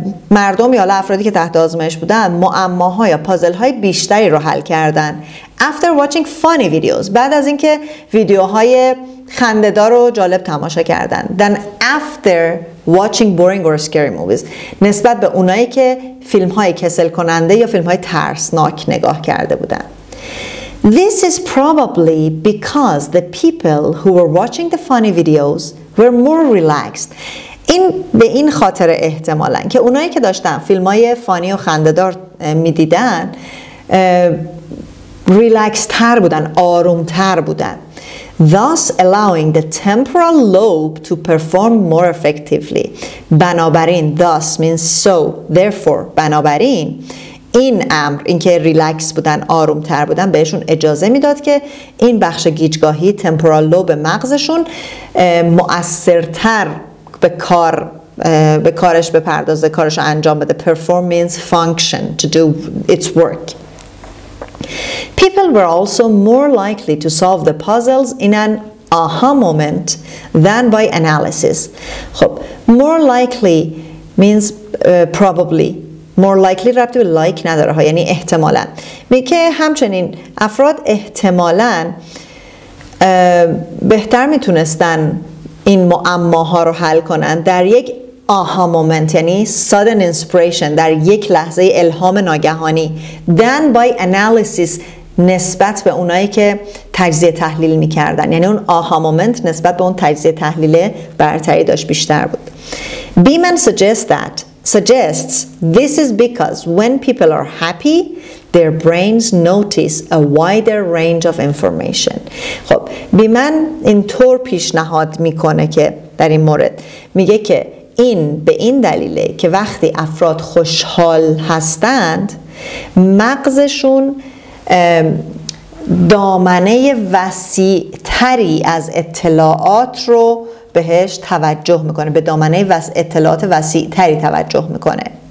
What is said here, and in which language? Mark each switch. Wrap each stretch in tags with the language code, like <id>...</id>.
<fa>مردم یا افرادی که تحت آزمایش بودن معماها یا پازل های بیشتری رو حل کردن</fa> <en>after watching funny videos,</en> <fa>بعد از اینکه ویدیوهای خنده‌دار و جالب تماشا کردن</fa> <en>than after watching boring or scary movies,</en> <fa>نسبت به اونایی که فیلم های کسل کننده یا فیلم های ترسناک نگاه کرده بودن.</fa> <en>This is probably because the people who were watching the funny videos were more relaxed.</en> <fa>این به این خاطر احتمالاً که اونایی که داشتن فیلم های فانی و خنده‌دار می دیدن ریلکس تر بودن، آروم تر بودن.</fa> <en>Thus allowing the temporal lobe to perform more effectively.</en> <fa>بنابراین</fa> <en>thus means so, therefore.</en> <fa>بنابراین این امر، اینکه ریلکس بودن، آروم تر بودن، بهشون اجازه میداد که این بخش گیجگاهی temporal lobe مغزشون مؤثرتر به کار به کارش بپردازه، کارش رو انجام بده.</fa> <en>Perform means function, to do its work. People were also more likely to solve the puzzles in an aha moment than by analysis. خب more likely means probably. More likely</en> <fa>ربطی به like نداره ها، یعنی احتمالا. میکه همچنین افراد احتمالا بهتر میتونستن این معماها رو حل کنن در یک آها مومنت، یعنی</fa> <en>sudden inspiration،</en> <fa>در یک لحظه الهام ناگهانی،</fa> <en>than by analysis،</en> <fa>نسبت به اونایی که تجزیه تحلیل میکردن. یعنی اون آها مومنت نسبت به اون تجزیه تحلیل برتری داشت، بیشتر بود.</fa> <en>Beeman suggests this is because when people are happy their brains notice a wider range of information.</en> <fa>خب بیمن اینطور پیشنهاد میکنه که در این مورد میگه که این به این دلیله که وقتی افراد خوشحال هستند مغزشون دامنه وسیع تری از اطلاعات رو بهش توجه میکنه، به دامنه اطلاعات وسیع تری توجه میکنه.</fa>